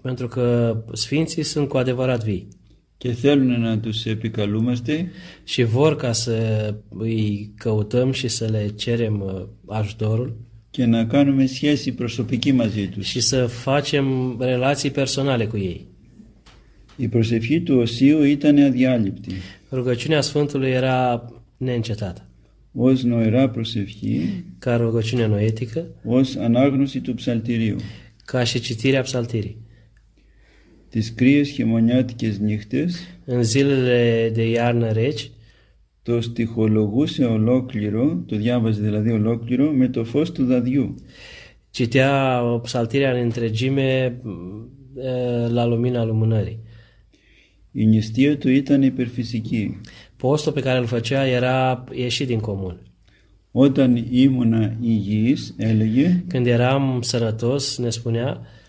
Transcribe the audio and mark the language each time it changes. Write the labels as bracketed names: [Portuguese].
[Romanian] Pentru că Sfinții sunt cu adevărat vii. [Greek] Και θέλουν να τους επικαλούμαστε. [Romanian] Și vor ca să îi căutăm și să le cerem ajutorul. [Greek] Και να κάνουμε σχέση προσωπική μαζί τους. [Romanian] Și să facem relații personale cu ei. [Greek] Η προσευχή του Οσίου ήταν αδιάλειπτη. [Romanian] Rugăciunea Sfântului era neîncetată. [Greek] Ως νοερά προσευχή. [Romanian] Ca rugăciune noetică. [Greek] Ως ανάγνωση του ψαλτηρίου. [Romanian] Ca și citirea ψαλτήρii. [Greek] Τις κρύες χειμωνιάτικες νύχτες. [Romanian] În zilele de iarnă reci. [Greek] Το στιχολογούσε ολόκληρο, το διάβαζε δηλαδή ολόκληρο, με το φως του δαδιού. [Romanian] Citea ψαλτήρια în întregime la lumina lumânării. [Greek] Η νηστεία του ήταν υπερφυσική. [Romanian] Postul pe care îl făcea era ieșit din comun. [Greek] Όταν ήμουνα υγιής, έλεγε, [Romanian] când eram sănătos, ne spunea,